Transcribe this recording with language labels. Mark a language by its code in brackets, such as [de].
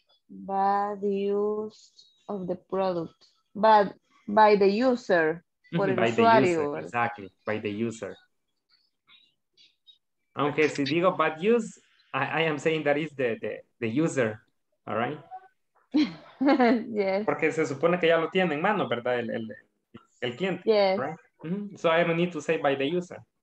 [en] Bad use of the product. Bad by the user. By the user. Exactly. By the user. [es] Aunque si digo [en] bad use, I am saying that is the user, all right? Yes. [es] Porque se supone que ya lo tiene en mano, ¿verdad? El cliente, [en] yes. Right? Mm-hmm. So I don't need to say by the user.